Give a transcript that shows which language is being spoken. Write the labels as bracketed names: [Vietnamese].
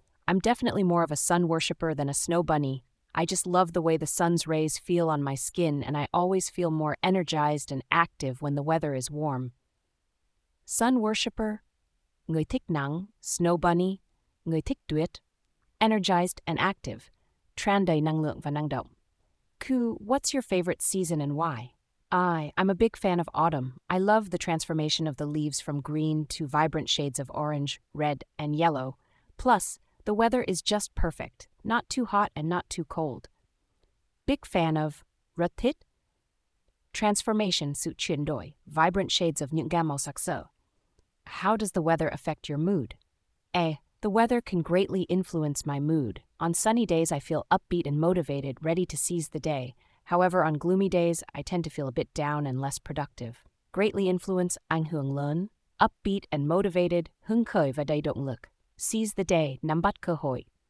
[English] I'm definitely more of a sun worshipper than a snow bunny. I just love the way the sun's rays feel on my skin, and I always feel more energized and active when the weather is warm. Sun worshipper, [Vietnamese] người thích nắng, [English] snow bunny, [Vietnamese] người thích tuyết, [English] energized and active, [Vietnamese] tràn đầy năng lượng và năng động. [English] Ku, what's your favorite season and why? I'm a big fan of autumn. I love the transformation of the leaves from green to vibrant shades of orange, red, and yellow. Plus, the weather is just perfect, not too hot and not too cold. Big fan of [Vietnamese] rất thích transformation sự chuyển đổi, [English] vibrant shades of [Vietnamese] những gam màu sắc sỡ. [English] How does the weather affect your mood? A. The weather can greatly influence my mood. On sunny days, I feel upbeat and motivated, ready to seize the day. However, on gloomy days, I tend to feel a bit down and less productive. Greatly influence [Vietnamese] ảnh hưởng lớn. [English] Upbeat and motivated, [Vietnamese] hứng khởi và đầy động lực. [English] Seize the day, [Vietnamese] nắm bắt cơ hội.